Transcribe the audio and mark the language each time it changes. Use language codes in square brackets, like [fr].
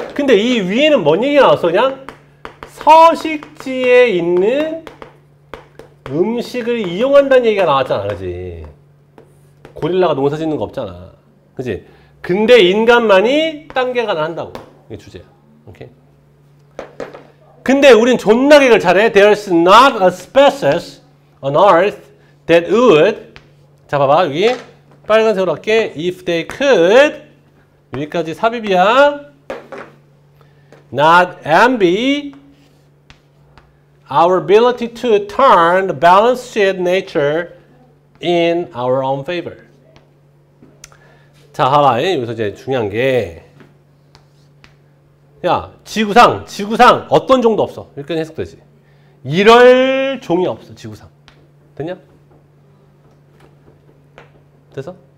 [ko] 근데 이 위에는 뭔 얘기 나왔어, 그냥? 서식지에 있는 음식을 이용한다는 얘기가 나왔잖아, 그지? 고릴라가 농사 짓는 거 없잖아. 그지? 근데 인간만이 땅 개간을 한다고. 이게 주제야. 오케이? 근데 우린 존나 개그를 잘해. [en] There's not a species on earth that would. [ko] 자, 봐봐. 여기 빨간색으로 할게. [en] If they could. [ko] 여기까지 삽입이야. [en] Not envy our ability to turn the balanced nature in our own favor. [ko] 자, 봐봐. 여기서 이제 중요한 게, 야, 지구상 어떤 종도 없어. 이렇게 해석되지. 이럴 종이 없어, 지구상. 됐냐? 됐어?